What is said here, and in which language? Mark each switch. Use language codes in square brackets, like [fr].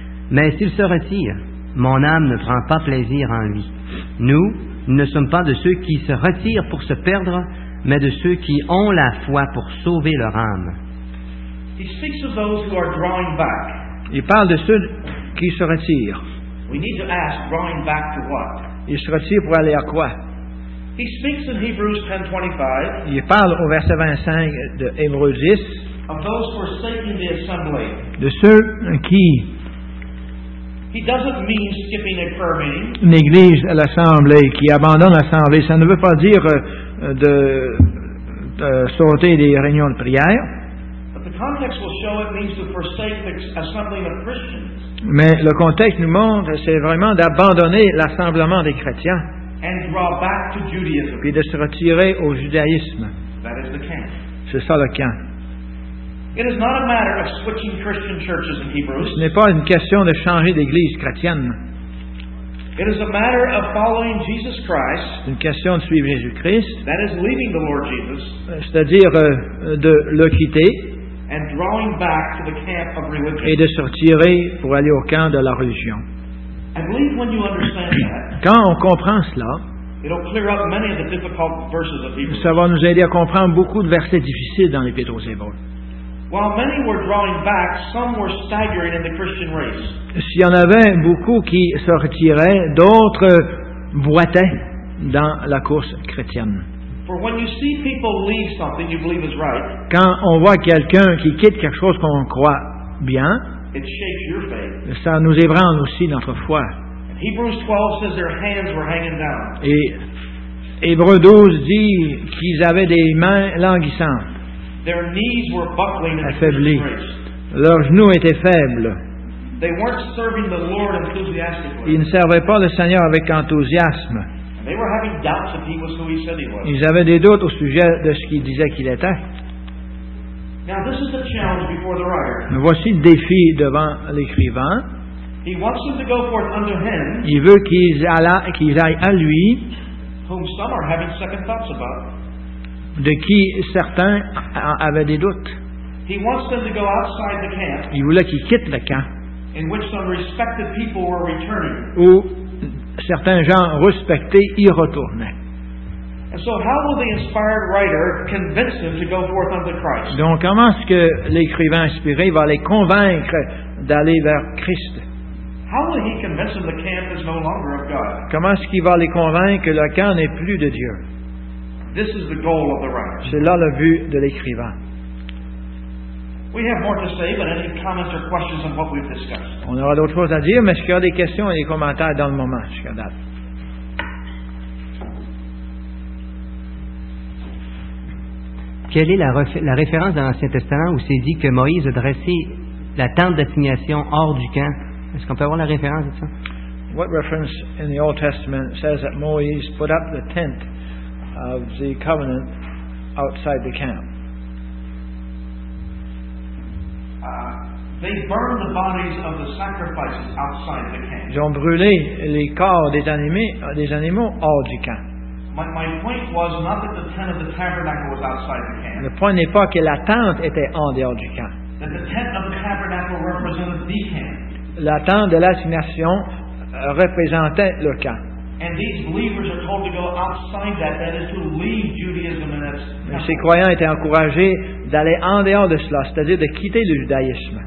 [fr] Mais s'il se retire, mon âme ne prend pas plaisir en lui. Nous ne sommes pas de ceux qui se retirent pour se perdre, mais de ceux qui ont la foi pour sauver leur âme. [en] He speaks of those who are drawing back. [fr] Il parle de ceux qui se retirent. [en] We need to ask, drawing back to what? [fr] Il se retire pour aller à quoi? [en] He speaks in Hebrews 10:25. [fr] Il parle au verset 25 de Hébreux 10. [en] Of those forsaking the assembly. [fr] De ceux qui. [en] He doesn't mean skipping a prayer meeting. [fr] Néglige l'assemblée, qui abandonne l'assemblée, ça ne veut pas dire de sauter des réunions de prière. [en] But the context will show it means to forsake the assembly of Christians. [fr] Mais le contexte nous montre, c'est vraiment d'abandonner l'assemblement des chrétiens et de se retirer au judaïsme. [en] That is the camp. [fr] C'est ça le camp. [en] It is not a matter of switching Christian churches in Hebrews. [fr] Ce n'est pas une question de changer d'église chrétienne. [en] It is a matter of following Jesus Christ. [fr] C'est une question de suivre Jésus-Christ. [en] That is leaving the Lord Jesus. [fr] C'est-à-dire de le quitter. [en] And drawing back to the camp of religion. [fr] Et de sortir pour aller au camp de la religion. [en] I believe when you understand that, [fr] quand on comprend cela, [en] it'll clear up many of the difficult verses of Hebrews. [fr] Ça va nous aider à comprendre beaucoup de versets difficiles dans l'Épître aux Hébreux. [en] While many were drawing back, some were staggering in the Christian race. [fr] S'il y en avait beaucoup qui se retiraient, d'autres boitaient dans la course chrétienne. [en] For when you see people leave something you believe is right. [fr] Quand on voit quelqu'un qui quitte quelque chose qu'on croit bien. [en] It shakes your faith. [fr] Ça nous ébranle aussi notre foi. [en] Hebrews 12 says their hands were hanging down. [fr] Et Hébreux 12 dit qu'ils avaient des mains languissantes. [en] Their knees were buckling [fr] and affaiblies. Leurs genoux étaient faibles. [en] They weren't serving the Lord enthusiastically. [fr] Ils ne servaient pas le Seigneur avec enthousiasme. [en] They were having doubts if he was who he said he was. [fr] Ils avaient des doutes au sujet de ce qu'il disait qu'il était. [en] Now this is the challenge before the writer. [fr] Mais voici le défi devant l'écrivain. [en] He wants them to go forth unto him. [fr] Il veut qu'ils aillent à lui. [en] Whom some are having second thoughts about. [fr] De qui certains avaient des doutes. [en] He wants them to go outside the camp. [fr] Il voulait qu'ils quittent le camp. [en] In which some respected people were returning. [fr] Où certains gens respectés y retournaient. [en] And so how will the inspired writer convince them to go forth unto Christ? [fr] Donc comment est-ce que l'écrivain inspiré va les convaincre d'aller vers Christ? [en] How will he convince them the camp is no longer of God? [fr] Comment est-ce qu'il va les convaincre que le camp n'est plus de Dieu? [en] This is the goal of the writer. [fr] C'est là le but de l'écrivain. [en] We have more to say, but any comments or questions on what we've discussed? [fr] On aura d'autres choses à dire, mais est-ce qu'il y a des questions et des commentaires dans le moment jusqu'à date? Quelle est la référence dans l'Ancien Testament où c'est dit que Moïse a dressé la tente d'assignation hors du camp? Est-ce qu'on peut avoir la référence de ça? [en] What reference in the Old Testament says that Moïse put up the tent of the covenant outside the camp? They burned the bodies of the sacrifices outside the camp. [fr] Ils ont brûlé les corps des animaux hors du camp. [en] My point was not that the tent of the tabernacle was outside the camp. [fr] Le point n'est pas que la tente était en dehors du camp. [en] That the tent of the tabernacle represented the camp. [fr] La tente de l'assignation représentait le camp. [en] And these believers are told to go outside that is to leave Judaism and its temple. [fr] Mais ces croyants étaient encouragés d'aller en dehors de cela, c'est-à-dire de quitter le judaïsme.